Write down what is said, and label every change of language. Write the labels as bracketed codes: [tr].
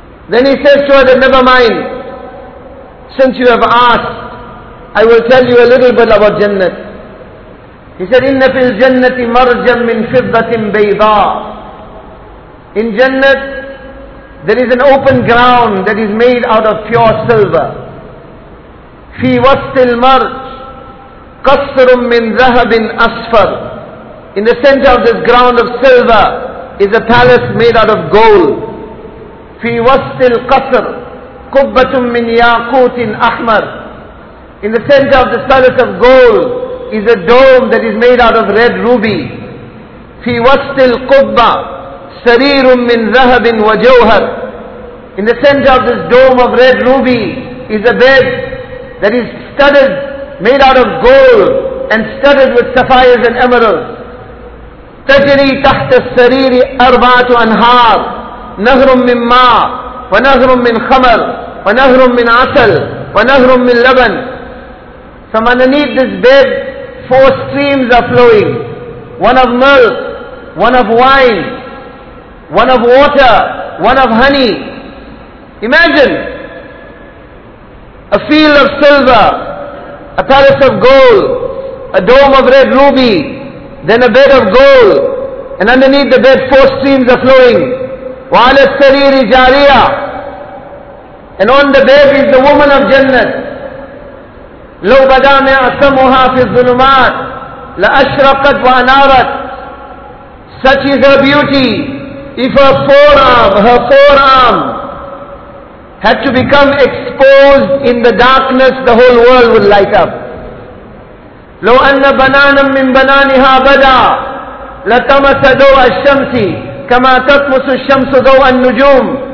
[en] Then he says to her that, never mind, since you have asked, I will tell you a little bit about Jannat. He said, [ar] inna fil jannati marjan min fiddatin bayda. [en] In Jannat, there is an open ground that is made out of pure silver. [ar] في وسط المرج قصر من ذهب أصفر. [en] In the center of this ground of silver is a palace made out of gold. [ar] في وسط القصر قبة من ياقوت أحمر. [en] In the center of this palace of gold is a dome that is made out of red ruby. [ar] في وسط القبة سرير من ذهب وجوهر. [en] In the center of this dome of red ruby is a bed that is studded, made out of gold, and studded with sapphires and emeralds. [ar] تجري تحت السرير أربعة أنهار نهر من ماء ونهر من خمر ونهر من عسل ونهر من لبن. [en] From underneath this bed, four streams are flowing. One of milk, one of wine, one of water, one of honey. Imagine! A field of silver, a palace of gold, a dome of red ruby, then a bed of gold, and underneath the bed four streams are flowing. [ar] وَعَلَى السَّرِيرِ جَارِيَةٌ. [en] And on the bed is the woman of Jannat. [ar] لَوْ بَدَى مِعْصَمُهَا فِي الظُّلُمَاتِ لَأَشْرَقَتْ وَأَنَارَتْ. [en] Such is her beauty, if her forearm, had to become exposed in the darkness, the whole world would light up. [ar] لو أن بنانا من بنانها بدا لتمس ضوء الشمس كما تطمس الشمس ضوء النجوم.